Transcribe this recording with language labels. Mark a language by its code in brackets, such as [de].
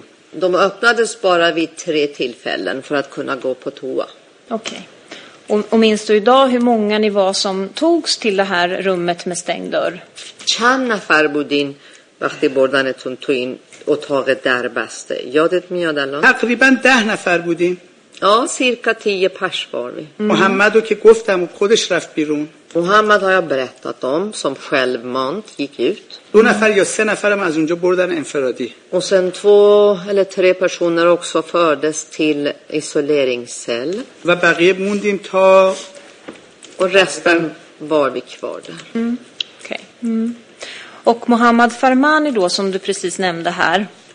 [sv] De öppnades bara vid 3 tillfällen för att kunna gå på toa. Okej. Okay. Och minns du idag hur många ni var som togs till det här rummet med stängd dörr? [fa] چند نفر بودین وقتی بردنتون تو این اتاق دربسته؟ یادت میاد الان؟ تقریبا 10 نفر بودیم. [sv] Ja, cirka 10 pers var vi. [fa] Muhammad och Kostam och خودش رفت بیرون. [sv] Muhammad har jag berättat om som självmant gick ut. [fa] دو نفر یا 3 نفرم از اونجا بردن انفرادی. [sv] Och sen 2 eller 3 personer också fördes till isoleringscell. [fa] و بقیه موندیم تا [sv] och resten var vi kvar där. Mm. Okej. Okay. Mm. Och Muhammad Farmani då som du precis nämnde här.